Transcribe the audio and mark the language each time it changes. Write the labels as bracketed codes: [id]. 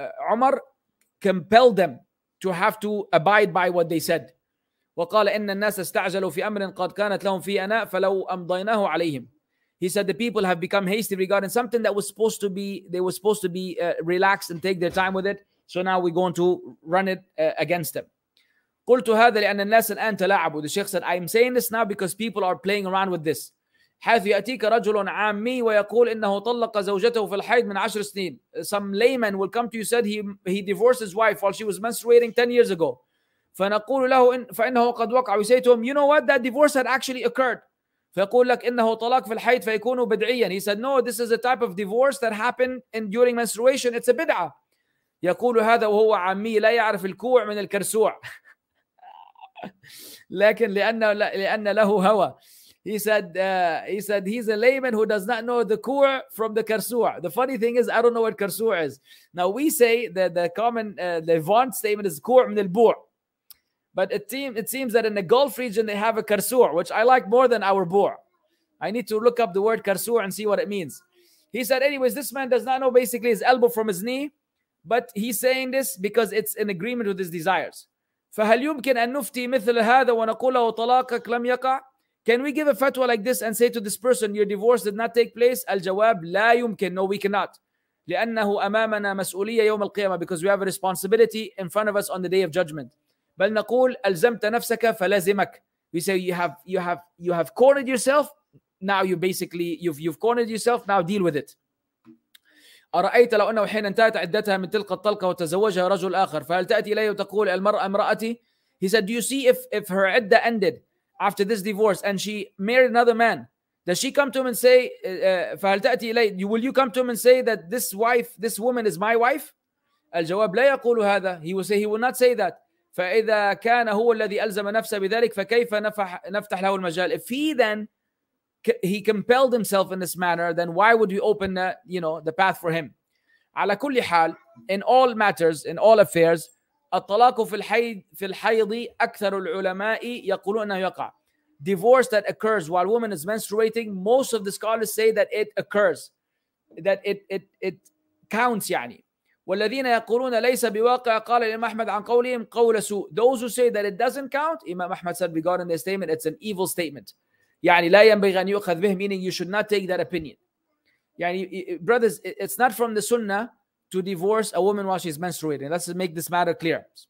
[en] عمر compelled them to have to abide by what they said. [ar] وقال إن الناس استعجلوا في أمر قد كانت لهم في أناء فلو أمضيناه عليهم. [en] He said the people have become hasty regarding something that was supposed to be, they were supposed to be relaxed and take their time with it. So now we're going to run it against them. [ar] قلت هذا لأن الناس الآن تلاعبوا. [en] The Sheikh said, I'm saying this now because people are playing around with this. [ar] حيث يأتيك رجل عامي ويقول إنه طلق زوجته في الحيض من 10 سنين. [en] Some layman will come to you, said he divorced his wife while she was menstruating 10 years ago. [ar] فنقول له فإنه قد وقع. [en] We say to him, you know what? That divorce had actually occurred. [ar] فيقول لك إنه طلاق في الحيض فيكون بدعيا. [en] He said, no, this is a type of divorce that happened during menstruation. It's a bid'ah. [ar] يقول هذا وهو عمي لا يعرف الكوع من الكرسوع لكن لأن له هوى. [en] He said he's a layman who does not know the كوع from the كرسوع. The funny thing is I don't know what كرسوع is. Now we say that the common the vaunt statement is كوع من البوع, but it seems that in the Gulf region they have a كرسوع, which I like more than our بوع. I need to look up the word كرسوع and see what it means. He said anyways, this man does not know basically his elbow from his knee, but he's saying this because it's in agreement with his desires. [ar] فهل يمكن أن نفتي مثل هذا ونقول له طلاقك لم يقع? [en] Can we give a fatwa like this and say to this person, your divorce did not take place? [ar] الجواب لا يمكن. [en] No, we cannot. [ar] لأنه أمامنا مسؤولية يوم القيامة, [en] because we have a responsibility in front of us on the day of judgment. [ar] بل نقول ألزمت نفسك فلازمك. [en] We say you have cornered yourself. Now you've cornered yourself. Now deal with it. [ar] أرأيت لو أنه حين انتهت عدتها من تلك الطلقة وتزوجها رجل آخر فهل تأتي إليه وتقول المرأة امرأتي؟ [en] He said, do you see if her عدة ended after this divorce and she married another man? Does she come to him and say, [ar] فهل تأتي إليه? [en] Will you come to him and say that this wife, this woman is my wife? [ar] الجواب لا يقول هذا. [en] He will say, he will not say that. [ar] فإذا كان هو الذي ألزم نفسه بذلك فكيف نفتح له المجال? [en] If he then, he compelled himself in this manner, then why would we open you know, the path for him? [ar] على كل حال, [en] in all matters, in all affairs, [ar] الطلاق في الحيض أكثر العلماء يقولون أنه يقع. [en] Divorce that occurs while woman is menstruating, most of the scholars say that it occurs, that it counts يعني. [ar] والذين يقولون ليس بواقع قال الإمام أحمد عن قولهم قول سوء. [en] Those who say that it doesn't count, Imam Ahmad said regarding their statement, it's an evil statement. [ar] يعني لا ينبغي أن يؤخذ به, [en] meaning you should not take that opinion. يعني brothers, it's not from the sunnah to divorce a woman while she's menstruating. Let's make this matter clear.